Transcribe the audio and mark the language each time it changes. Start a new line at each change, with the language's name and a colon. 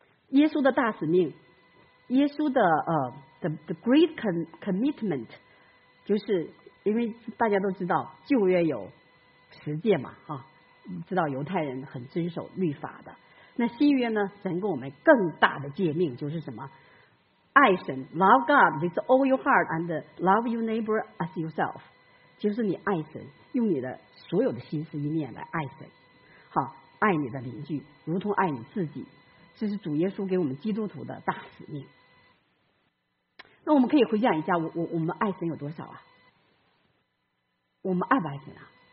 Chinese: 耶稣的大使命，耶稣的
English: the great commitment，
Chinese: 就是因为大家都知道旧约有10诫嘛，哈、知道犹太人很遵守律法的。那新约呢，神给我们更大的诫命，就是什么？爱神
English: ，love God with all your heart and love your neighbor as yourself。
Chinese: 就是你爱神，用你的所有的心思意念来爱神，好，爱你的邻居如同爱你自己，这是主耶稣给我们基督徒的大使命。那我们可以回想一下，我们爱神有多少啊？我们爱不爱神啊？